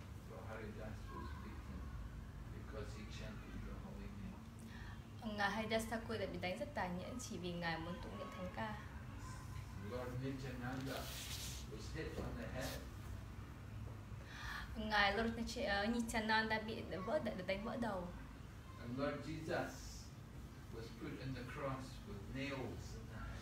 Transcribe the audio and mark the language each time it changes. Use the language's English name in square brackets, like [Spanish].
[English] So Haridas was beaten because he chanted the holy name. [Vietnamese] Ngài Haridas Thakur đã bị đánh rất tàn nhẫn chỉ vì ngài muốn tụng niệm thánh ca. [English] Lord Nityananda was hit on the head. [Vietnamese] Ngài Lord Nityananda bị đánh vỡ đầu. [English] And Lord Jesus was put in the cross with nails in the